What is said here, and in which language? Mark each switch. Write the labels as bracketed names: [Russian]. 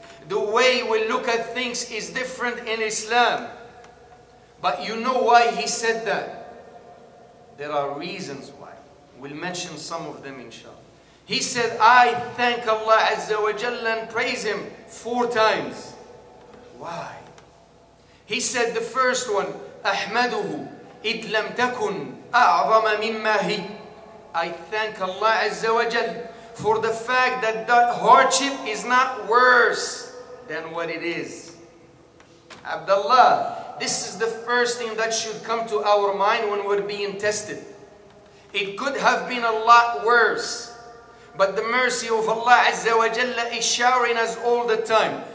[English] The way we look at things is different in Islam. But you know why he said that? There are reasons why. We'll mention some of them, inshallah. He said, I thank Allah Azza wa Jalla and praise Him 4 times. Why? He said the first one, [Arabic] أحمده إذ لم تكن أعظم مما هي. [English] I thank Allah Azza wa Jalla for the fact that that hardship is not worse than what it is. Abdullah, this is the first thing that should come to our mind when we're being tested. It could have been a lot worse, but the mercy of Allah Azza wa Jalla is showering us all the time.